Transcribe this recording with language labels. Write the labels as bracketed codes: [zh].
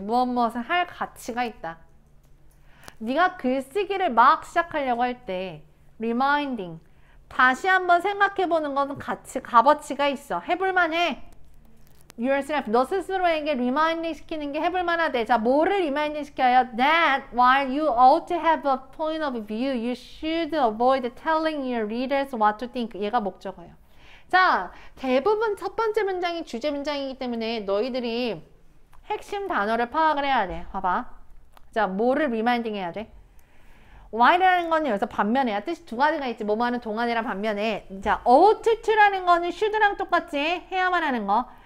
[ko] 무엇무엇을 할 가치가 있다. 네가 글쓰기를 막 시작하려고 할때 reminding. 다시 한번 생각해 보는 건 가치, 값어치가 있어. 해볼 만해. yourself, 너 스스로에게 리마인딩 시키는 게 해볼 만하대. 자, 뭐를 리마인딩 시켜요? [en] That while you ought to have a point of view, you should avoid telling your readers what to think. [ko] 얘가 목적어요. 자, 대부분 첫 번째 문장이 주제 문장이기 때문에 너희들이 핵심 단어를 파악을 해야 돼. 봐봐. 자, 뭐를 리마인딩 해야 돼? while이라는 거는 여기서 반면에야. 뜻이 두 가지가 있지. 뭐뭐하는 동안이랑 반면에. 자, ought to라는 거는 should랑 똑같지. 해야만 하는 거.